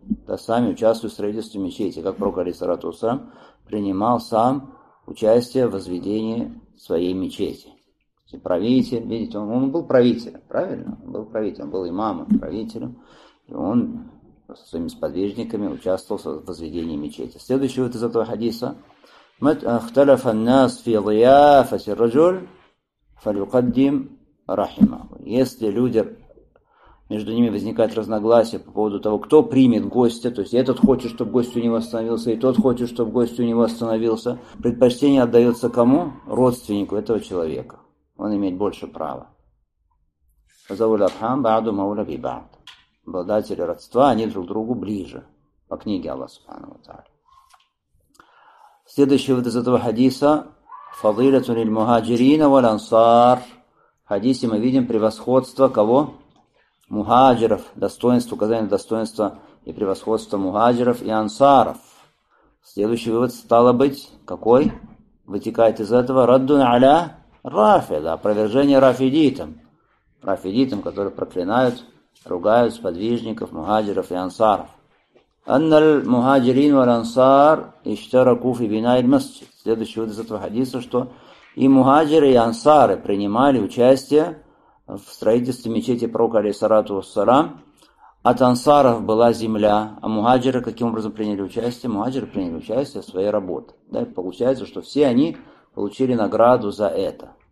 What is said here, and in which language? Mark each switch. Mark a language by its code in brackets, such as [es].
[ru] Да, сами участвуют в строительстве мечети. Как пророк, алейхиссалату вассалям, принимал сам участие в возведении своей мечети. Правитель, видите, он был правителем, правильно? Он был правителем, был имамом, правителем. И он со своими сподвижниками участвовал в возведении мечети. Следующий вот из этого хадиса. [ar] اختلف الناس في ضيافة الرجل فليقدم رحمه. [ru] Если люди, между ними возникает разногласие по поводу того, кто примет гостя, то есть этот хочет, чтобы гость у него остановился, и тот хочет, чтобы гость у него остановился, предпочтение отдается кому? Родственнику этого человека. Он имеет больше права. [ar] Заул Абхам, Бааду Маула Бибад. [ru] Обладатели родства, они друг другу ближе. По книге Аллах Субхану ва Тааля. Следующий вот из этого хадиса. [ar] Фазилату лиль мухаджирина валь ансар. [ru] В хадисе мы видим превосходство кого? Мухаджиров. Достоинство, указание достоинства и превосходство мухаджиров и ансаров. Следующий вывод стало быть какой? Вытекает из этого. [ar] Раддун аля Рафида, [ru] опровержение рафидитам. Рафидитам, которые проклинают, ругают сподвижников, мухаджиров и ансаров. [ar] أن المهاجرين والأنصار اشتركوا في بناء المسجد. [ru] Следующий вот из этого хадиса, что и мухаджиры, и ансары принимали участие в строительстве мечети пророка, алейхиссалату вассалам. От ансаров была земля, а мухаджиры каким образом приняли участие? Мухаджиры приняли участие в своей работе. Да, получается, что все они получили награду за это.